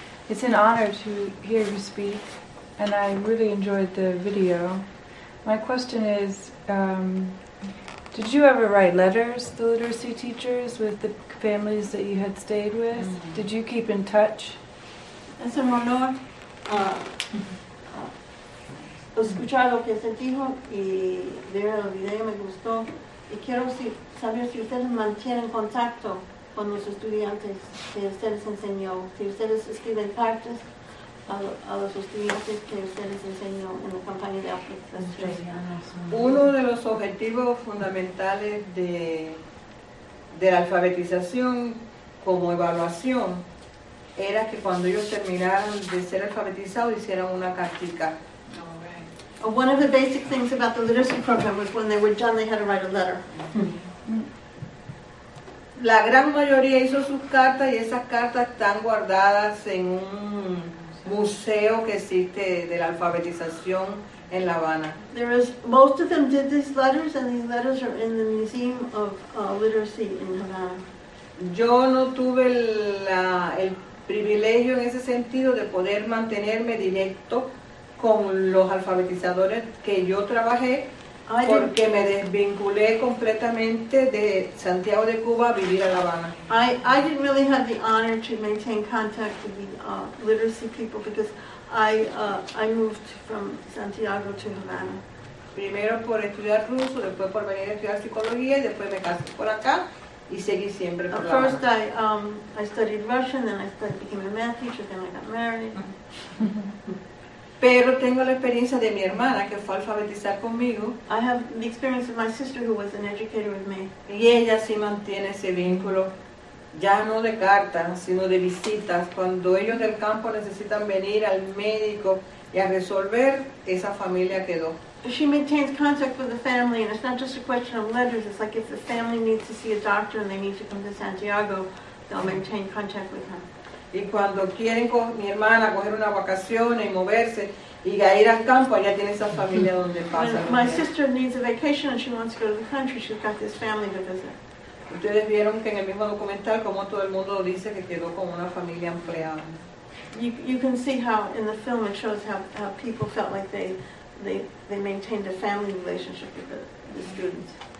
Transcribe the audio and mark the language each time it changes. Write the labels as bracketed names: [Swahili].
[English] It's an honor to hear you speak, and I really enjoyed the video. My question is, did you ever write letters to literacy teachers with the families that you had stayed with? Mm-hmm. Did you keep in touch? [Spanish] Es un honor escuchar lo que se dijo y ver el video, me gustó. Y quiero saber si ustedes mantienen contacto con los estudiantes que ustedes enseñó. Si ustedes escriben cartas a los estudiantes que ustedes enseñó en la campaña de alfabetización. Uno de los objetivos fundamentales de la alfabetización como evaluación era que cuando ellos terminaran de ser alfabetizados hicieran una cartica. [English] Oh, right. One of the basic things about the literacy program was when they were done they had to write a letter. [Spanish] La gran mayoría hizo sus cartas y esas cartas están guardadas en un museo que existe de la alfabetización en La Habana. [English] There is, most of them did these letters, and these letters are in the Museum of Literacy in Havana. [Spanish] Yo no tuve el privilegio en ese sentido de poder mantenerme directo con los alfabetizadores que yo trabajé, porque me desvinculé completamente de Santiago de Cuba a vivir a La Habana. [English] I didn't really have the honor to maintain contact with the literacy people because I moved from Santiago to Havana. [Spanish] Primero por estudiar ruso, después por venir a estudiar psicología y después me casé por acá y seguí siempre por La Habana. [English] First I studied Russian, then I became a math teacher, then I got married. [Spanish] Pero tengo la experiencia de mi hermana que fue a alfabetizar conmigo. [English] I have the experience of my sister who was an educator with me. [Spanish] Y ella sí mantiene ese vínculo, ya no de cartas, sino de visitas. Cuando ellos del campo necesitan venir al médico y a resolver, esa familia quedó. [English] She maintains contact with the family, and it's not just a question of letters. It's like if the family needs to see a doctor and they need to come to Santiago, they'll maintain contact with her. [Spanish] Y cuando quieren con mi hermana coger una vacación y moverse y ir al campo, allá tiene esa familia donde pasa. [English] My sister needs a vacation and she wants to go to the country. She's got this family to visit. [Spanish] Ustedes vieron que en el mismo documental como todo el mundo dice que quedó con una familia empleada. [English] You can see how in the film it shows how people felt like they maintained a family relationship with the students.